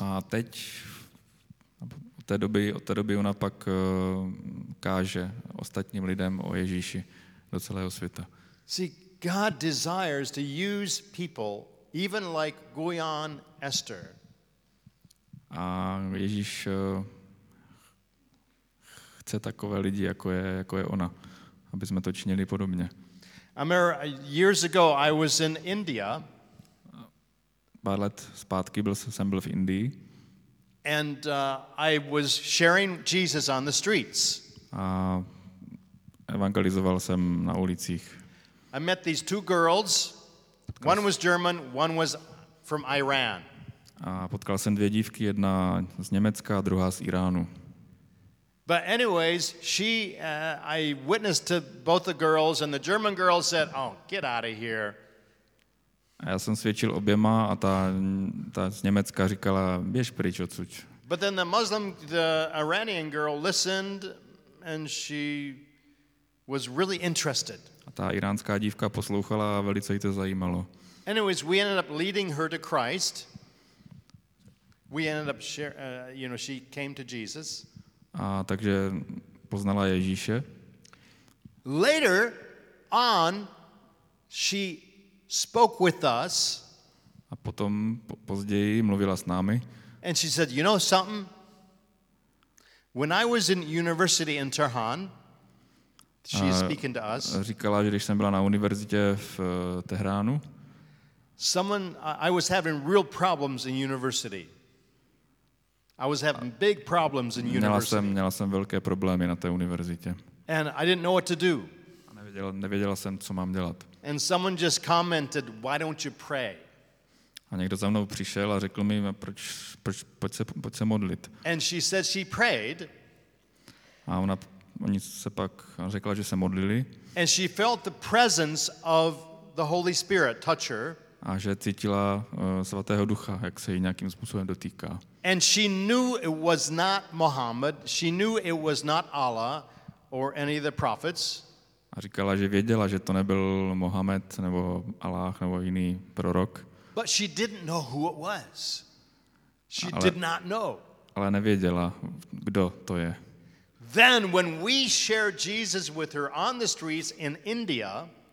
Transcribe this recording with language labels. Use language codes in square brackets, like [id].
[cs] A teď od té doby ona pak káže ostatním lidem o Ježíši do celého světa. [en] See, God desires to use people even like Goyan Esther. [cs] A Ježíš chce takové lidi, jako je ona, aby jsme to činili podobně. [en] Amir, years ago I was in India. [cs] Pár let zpátky jsem byl v Indii. [en] And I was sharing Jesus on the streets. [cs] A evangelizoval jsem na ulicích. [en] I met these two girls. One was German, one was from Iran. [cs] A potkal jsem dvě dívky, jedna z Německa a druhá z Iránu. [en] But anyways, I witnessed to both the girls and the German girl said, "Oh, get out of here." [cs] A já jsem svědčil oběma a ta z Německa říkala, "Běž pryč odsud." [en] But then the Iranian girl listened and she was really interested. [cs] A ta iránská dívka poslouchala a velice jí to zajímalo. [en] Anyways, we ended up leading her to Christ. We ended up she came to Jesus. [cs] A takže poznala Ježíše. [en] Later on she spoke with us. [cs] A potom později mluvila s námi. [en] And she said, "You know something? When I was in university in Tehran," she is speaking to us. [cs] Říkala, že když jsem byla na univerzitě v Tehránu. [en] "Someone, I was having real problems in university." I was having big problems in university. [cs] Měla jsem velké problémy na té univerzitě. [en] And I didn't know what to do. [cs] Nevěděl jsem, co mám dělat. [en] And someone just commented, "Why don't you pray?" [cs] A někdo za mnou přišel a řekl mi, pojď se modlit. [en] And she said she prayed. [cs] A oni se pak řekla, že se modlili. [en] And she felt the presence of the Holy Spirit touch her. [cs] A že cítila svatého ducha, jak se jí nějakým způsobem dotýká. [en] And she knew it was not Muhammad. She knew it was not Allah or any of the prophets. [cs] A říkala, že věděla, že to nebyl Mohamed nebo Allah nebo jiný prorok. [en] But she didn't know who it was. She did not know. [cs] Ale nevěděla, kdo to je. [en] Then when we shared Jesus with her on the streets in India,